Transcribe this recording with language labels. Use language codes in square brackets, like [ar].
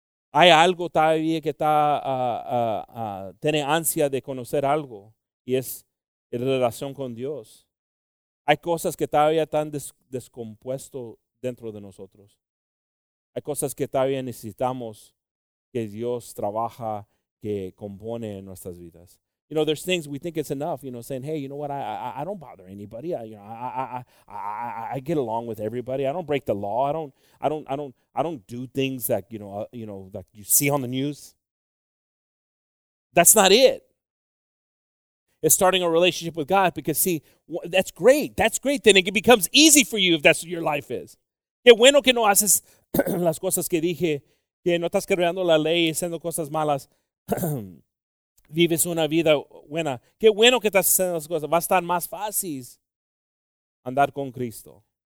[es] Hay algo todavía que está tiene ansia de conocer algo. Y es en relación con Dios. Hay cosas que todavía están descompuestas dentro de nosotros. Hay cosas que todavía necesitamos que Dios trabaja, que compone en nuestras vidas. [en] You know, there's things we think it's enough, you know, saying, hey, you know what, I don't bother anybody. I get along with everybody. I don't break the law. I don't do things that, you know, that you see on the news. That's not it. It's starting a relationship with God because, see, that's great. That's great. Then it becomes easy for you if that's what your life is. [es] Qué bueno que no haces las cosas que dije, que no estás quebrando la ley y haciendo cosas malas. Vives una vida buena. Qué bueno que estás haciendo las cosas. Va a estar más fácil andar con Cristo.